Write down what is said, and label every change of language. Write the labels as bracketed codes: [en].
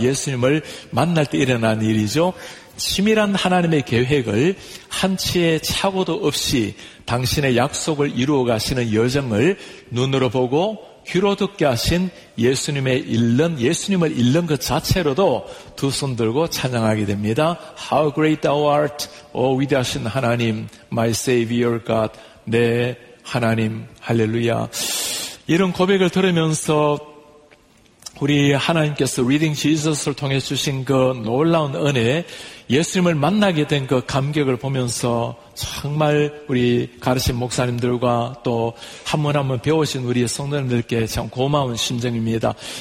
[ko] 예수님을 만날 때 일어난 일이죠. 치밀한 하나님의 계획을 한치의 착오도 없이 당신의 약속을 이루어 가시는 여정을 눈으로 보고 귀로 듣게 하신 예수님을 잃는 것 자체로도 두 손 들고 찬양하게 됩니다. [en] How great thou art, O [ko] 위대하신 하나님, [en] my Savior God, [ko] 내 하나님, 할렐루야. 이런 고백을 들으면서 우리 하나님께서 Reading Jesus를 통해 주신 그 놀라운 은혜, 예수님을 만나게 된 그 감격을 보면서 정말 우리 가르신 목사님들과 또 한 번 한 번 배우신 우리 성도님들께 참 고마운 심정입니다.